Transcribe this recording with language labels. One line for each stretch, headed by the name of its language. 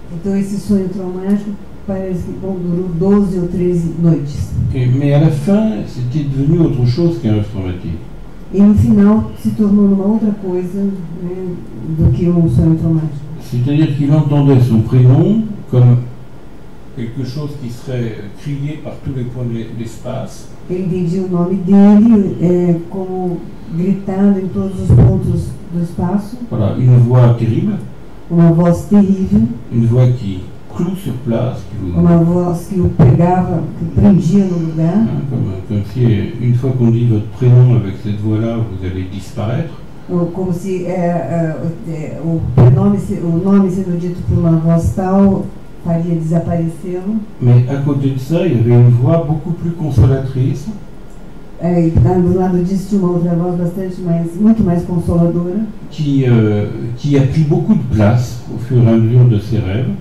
Portuguese: Então esse sonho traumático parece que bom, durou 12 ou 13 noites.
French: Mais à la fin, c'était devenu autre chose qu'un rêve traumatique.
Portuguese: E no final se tornou uma outra coisa, né, do que um sonho traumático.
French: C'est-à-dire qu'il entendait son prénom comme quelque chose qui serait crié par tous les points de l'espace.
Portuguese: Ele entendia o nome dele como gritando em todos os pontos do espaço.
French: Voilà, une voix terrible.
Portuguese: Uma voz terrível.
French: Une voix qui cloue sur place, qui vous...
Portuguese: Uma voz que o pegava, que prendia no lugar.
French: Comme si, une fois qu'on dit votre prénom avec cette voix-là, vous allez disparaître.
Portuguese: Como se o prénome, o nome sendo dito por uma voz tal, faria desaparecer.
French: Mais à côté de ça, il y avait une voix beaucoup plus consolatrice.
Portuguese: É, e do lado disso tinha uma outra voz bastante mais, muito mais consoladora.
French: Que a pris beaucoup de place au fur et à mesure de ses rêves.